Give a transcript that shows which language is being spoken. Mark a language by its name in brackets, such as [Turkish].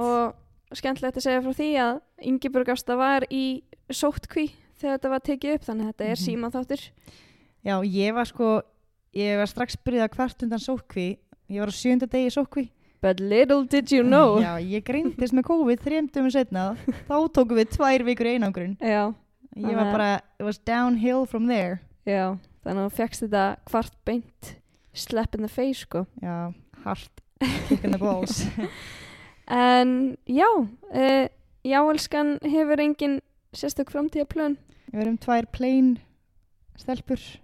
[Icelandic] Og skemmtilegt að segja frá því að Ingibjörg Ásta var í sóttkví þegar þetta var tekið upp, þannig að þetta er síma þáttur. Já, ég var strax byrjuð að kvart undan sóttkví. Ég var á 7. degi sóttkví. [English] But little did you know. [Icelandic] Já, ég greindist með COVID 3 dögum setna. Þá tókum við 2 vikur einangrun. Já. Ég var bara, [English] it was downhill from there. [Icelandic] Já, þannig að þú fekkst þetta kvart beint [English] slap in the face, [Icelandic] sko. Já. Hart, [English] kicking the balls. [Icelandic] En já, jáelskan hefur engin sérstök framtíðaplön. Við erum 2 plain stelpur.